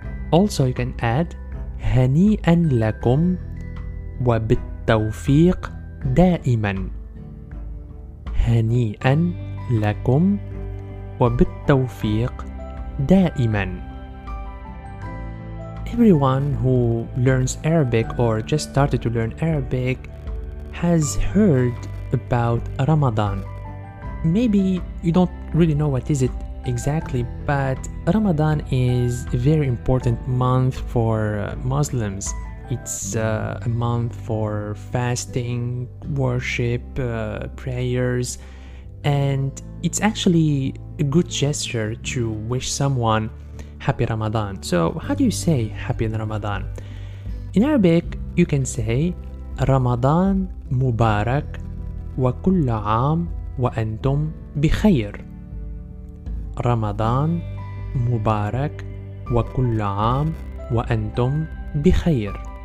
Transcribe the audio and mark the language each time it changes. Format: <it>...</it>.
<en>Also you can add</en> <ar>هنيئا لكم وبالتوفيق دائما, هنيئا لكم وبالتوفيق دائما.</ar> <en>Everyone who learns Arabic or just started to learn Arabic has heard about Ramadan. Maybe you don't really know what is it exactly, but Ramadan is a very important month for Muslims. It's a month for fasting, worship, prayers, and it's actually a good gesture to wish someone happy Ramadan. So how do you say happy Ramadan? In Arabic you can say</en> <ar>Ramadan Mubarak وكل عام وأنتم بخير, رمضان مبارك وكل عام وأنتم بخير.</ar>